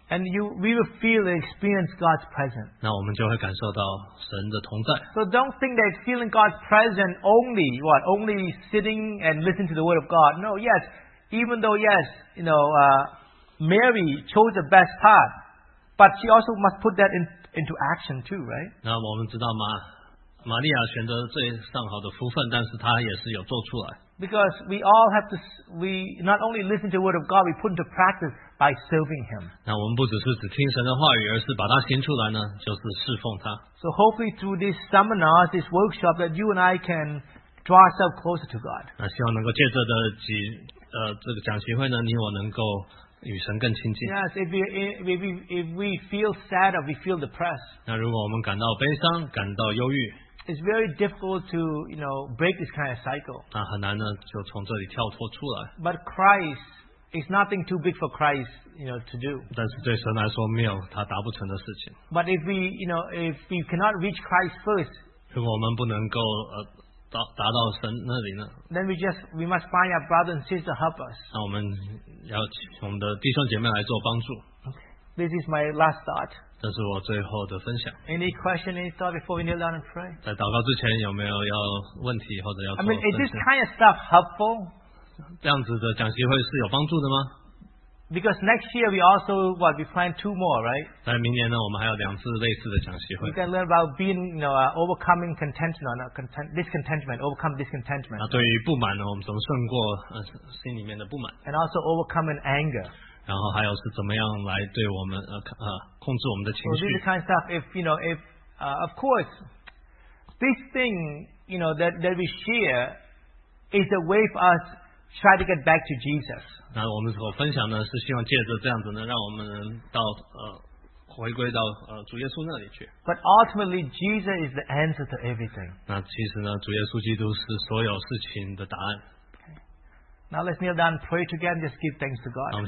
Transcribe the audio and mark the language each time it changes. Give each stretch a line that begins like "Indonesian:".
English: And we will feel and experience God's presence.
Chinese: 那我们就会感受到神的同在。
English: So don't think that feeling God's presence only what only sitting and listening to the word of God. No, yes, even though yes, you know, Mary chose the best part, but she also must put that into action too, right?
Chinese: 那我们知道吗？玛利亚选择最上好的福分，但是她也是有做出来。
English: Because we all have to, we not only listen to the word of God, we put into practice by serving Him.
Chinese: 那我们不只是只听神的话语，而是把它行出来呢，就是侍奉他。
English: So hopefully through this seminar, this workshop, that you and I can draw ourselves closer to God.
Chinese: 那希望能够借着的几这个讲习会呢，你我能够与神更亲近。
English: Yes, if we feel sad or we feel depressed.
Chinese: 那如果我们感到悲伤，感到忧郁。
English: It's very difficult to, you know, break this kind of cycle.
Chinese: 那很难呢，就从这里跳脱出来。
English: But Christ is nothing too big for Christ, you know, to do.
Chinese: 但是对神来说，没有他达不成的事情。
English: But if we, you know, if we cannot reach Christ first,
Chinese: 如果我们不能够达到神那里呢
English: ？Then we must find our brother and sister help us.
Chinese: 那我们要请我们的弟兄姐妹来做帮助。
English: This is my last thought.
Chinese: 这是我最后的分享。
English: Any question, any thought before we kneel down and pray?
Chinese: 在祷告之前有没有要问题或者要做
English: ？I mean, is this kind of stuff helpful?
Chinese: 这样子的讲习会是有帮助的吗
English: ？Because next year we also what we plan two more, right?
Chinese: 在明年呢，我们还有两次类似的讲习会。
English: We can learn about being, you know, overcoming contentment, or discontentment, overcome discontentment.
Chinese: 那对于不满呢，我们怎么胜过心里面的不满
English: ？And also overcoming anger.
Chinese: 然后还有是怎么样来对我们控制我们的情绪。
English: So this is the kind of stuff. If you know, if of course, this thing you know that we share is a way for us try to get back to Jesus.
Chinese: 那我们所分享呢，是希望借着这样子呢，让我们到回归到主耶稣那里去。
English: But ultimately, Jesus is the answer to everything.
Chinese: 那其实呢，主耶稣基督是所有事情的答案。
English: Okay. Now let's kneel down, pray together, and just give thanks to God.